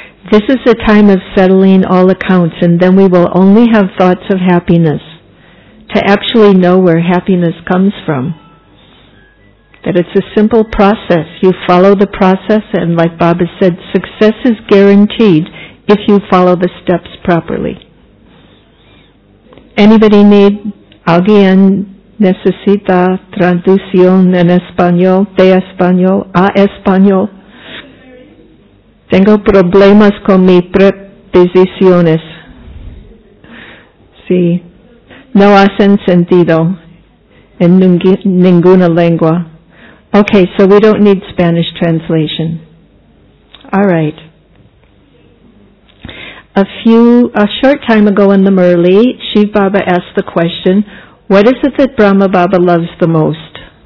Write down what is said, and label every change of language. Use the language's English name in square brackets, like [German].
[English] This is a time of settling all accounts, and then we will only have thoughts of happiness, to actually know where happiness comes from. That it's a simple process. You follow the process, and like Baba said, success is guaranteed if you follow the steps properly. Anybody need [Spanish] alguien necesita traducción en español, de español, a español? Tengo problemas con mis preposiciones. Sí. No hacen sentido en ninguna lengua. [English] Okay, so we don't need Spanish translation. All right. A short time ago in the Murli, Shiv Baba asked the question, what is it that Brahma Baba loves the most?